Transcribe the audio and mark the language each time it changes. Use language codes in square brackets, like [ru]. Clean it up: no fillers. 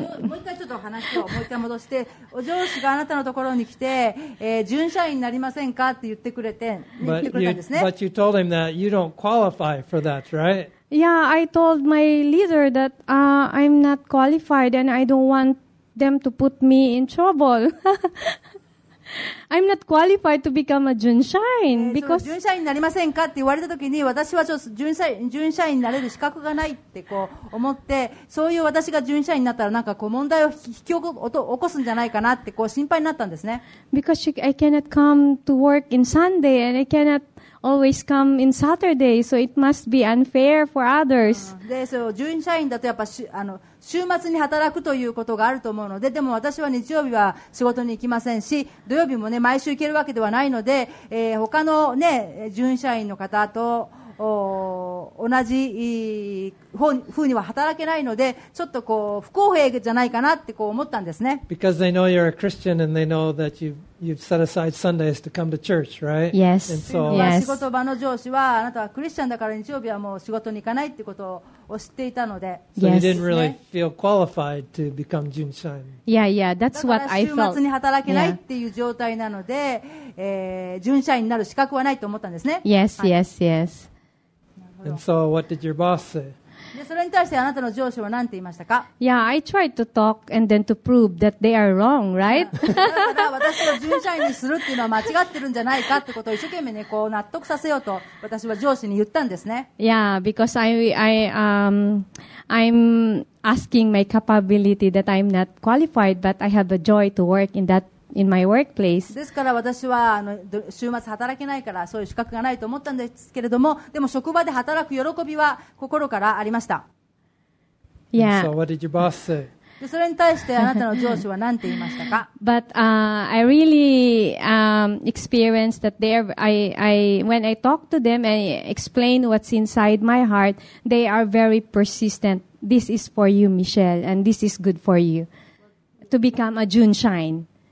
[ja] もう一回ちょっと話をもう一回戻して、お上司があなたのところに来て、準社員になりませんかって言ってくれて、言ってくれたんですね。 [en] But you told him that you don't qualify for that, right? Yeah, I told my leader that I'm not qualified and I don't want them to put me in trouble. I'm not qualified to become a junshine because [ja] 準社員になりませんかって言われた時に、私はちょっと準社員になれる資格がないってこう思って、そういう私が準社員になったらなんかこう問題を引き起こすんじゃないかなってこう心配になったんですね。 [en] Because I cannot come to work in Sunday and I cannot always come in Saturday, so it must be unfair for others. [ja] で、そう、準社員だとやっぱし、週末に働くということがあると思うので、でも私は日曜日は仕事に行きませんし、土曜日もね、毎週行けるわけではないので、他のね、準社員の方と、同じ風には働けないので、ちょっとこう、不公平じゃないかなってこう思ったんですね。 [en] Because they know you're a Christian and they know that you've set aside Sundays to come to church, right? Yes. And so, [ja] 仕事場の上司はあなたはクリスチャンだから日曜日はもう仕事に行かないってことを知っていたので、 [en] So you didn't really feel qualified to become Junshine. Yeah, yeah, that's what I felt. [ja] だから週末に働けないっていう状態なので、準社員になる資格はないと思ったんですね。 [en] Yes, yes, yes. And so, what did your boss say? [ja] でそれに対してあなたの上司は何て言いましたか？ [en] Yeah, I tried to talk and then to prove that they are wrong, right? [ja] だから私を準社員にするっていうのは間違ってるんじゃないかってことを一生懸命ね、こう納得させようと私は上司に言ったんですね。 [en] Yeah, because I'm asking my capability that I'm not qualified, but I have the joy to work in that. In my workplace. [ja] ですから私は週末働けないからそういう資格がないと思ったんですけれども、でも職場で働く喜びは心からありました。 [en] Yeah. So what did your boss say? [ja] でそれに対してあなたの上司は何て言いましたか？ [en] But I really experienced that they are, when I talk to them and explain what's inside my heart, they are very persistent. This is for you, Michelle, and this is good for you to become a Junshine.